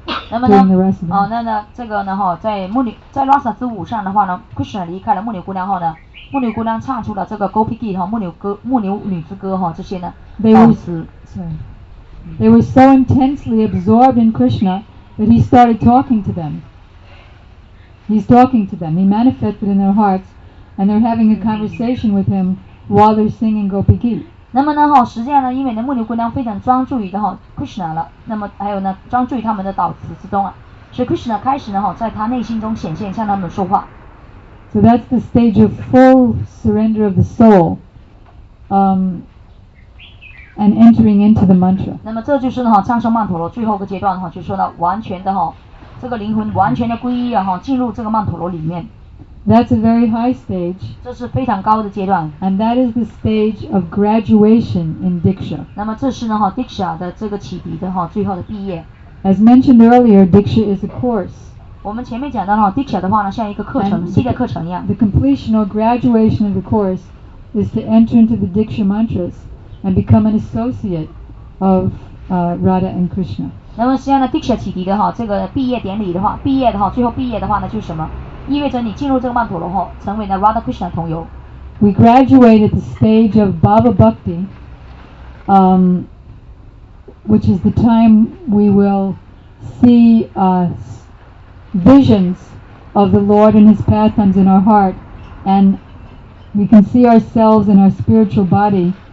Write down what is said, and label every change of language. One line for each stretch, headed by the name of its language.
Chinese: 那么呢，那这个呢哈，在牧女在拉萨之舞上的话呢 ，Krishna 离开了牧女姑娘后呢，牧女姑娘唱出了这个 Gopiki 哈，牧牛女之歌哈，这些呢，
English: They were so intensely absorbed in Krishna that he started talking to them. He's talking to them. He manifested in their hearts, and they're having a conversation with him while they're singing Gopiki.
Chinese: 那么呢哈，实际上呢，因为呢，牧牛姑娘非常专注于的哈 Krishna 了，那么还有呢，专注于他们的祷词之中啊，所以 Krishna 开始呢哈，在他内心中显现，向他们说话。
English: So that's the stage of full surrender of the soul. And entering into the mantra.
Chinese: 那么这就是哈唱诵曼陀罗最后一个阶段哈，就说到完全的哈，这个灵魂完全的皈依啊哈，进入这个曼陀罗里面。
English: That's a very high stage.
Chinese: 这是非常高的阶段。
English: And that is the stage of graduation in diksha.
Chinese: 那么这是呢哈 diksha 的这个启迪的哈最后的毕业。
English: As mentioned earlier, diksha is a course.
Chinese: 我们前面讲到哈 diksha 的话呢像一个课程，系列课程一样。
English: The completion or graduation of the course is to enter into the diksha mantras. And become an associate of Radha and Krishna.
Chinese: 那么实际上呢 ，Diksha 启迪的哈，这个毕业典礼的话，毕业的哈，最后毕业的话呢，就是什么？意味着你进入这个曼陀罗后，成为了 Radha Krishna 同游。
English: We graduate at the stage of Bhava Bhakti, which is the time we will see visions of the Lord and His pastimes in our heart, and we can see ourselves in our spiritual body.